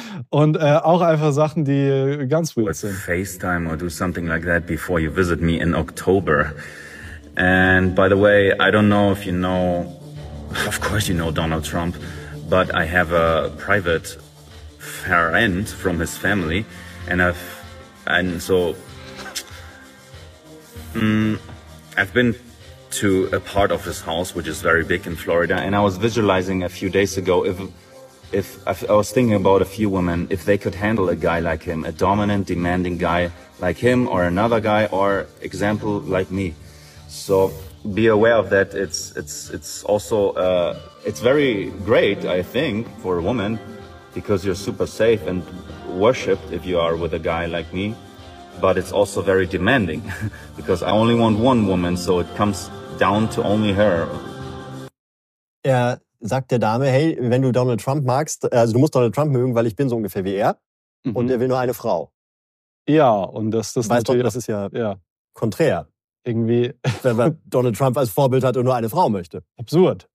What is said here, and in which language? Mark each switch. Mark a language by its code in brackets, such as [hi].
[de] Und auch einfach Sachen, die ganz weird sind. [en] FaceTime or do something like that before you visit me in October. And by the way, I don't know if you know, of course you know Donald Trump, but I have a private friend from his family, and I've been to a part of his house, which is very big in Florida, and I was visualizing a few days ago, if I was thinking about a few women, if they could handle a guy like him, a dominant, demanding guy like him, or another guy, or example like me. So be aware of that. It's also very great, I think, for a woman, because you're super safe and worshipped if you are with a guy like me. But it's also very demanding, because I only want one woman, so it comes down to only her. [de] Er sagt der Dame, hey, wenn du Donald Trump magst, also du musst Donald Trump mögen, weil ich bin so ungefähr wie er. Mhm. Und er will nur eine Frau. Ja, und das weißt natürlich, doch, das ist ja, ja. Konträr. Irgendwie. Wenn man Donald Trump als Vorbild hat und nur eine Frau möchte. Absurd.